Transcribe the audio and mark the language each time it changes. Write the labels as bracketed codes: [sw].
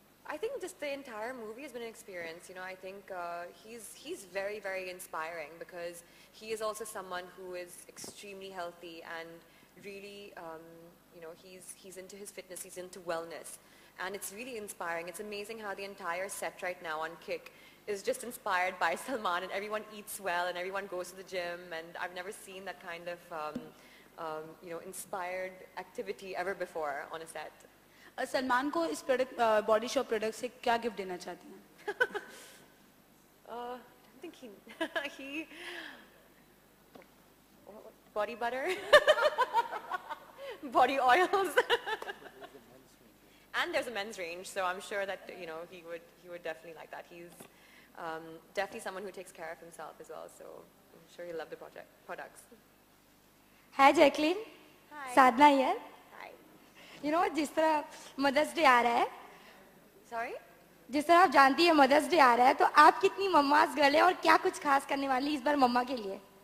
[en] I think just the entire movie has been an experience. You know, I think he's very, very inspiring because he is also someone who is extremely healthy and really, you know, he's into his fitness, he's into wellness. And it's really inspiring. It's amazing how the entire set right now on Kick is just inspired by Salman, and everyone eats well and everyone goes to the gym. And I've never seen that kind of, you know, inspired activity ever before on a set. [hi] Salman को इस product body shop product से क्या gift देना चाहती हैं? [en] I think he body butter, body oils, and there's a men's range, so I'm sure that, you know, he would definitely like that. He's definitely someone who takes care of himself as well, so I'm sure he'll love the products. Hi, Jacqueline. Hi. Sadhna here. You know, [hi] जिस तरह mother's day आ रहा है sorry जिस तरह आप जानती है mother's day आ रहा है तो आप कितनी मम्मास गर्ल है और क्या कुछ खास करने वाली इस बार मम्मा के लिए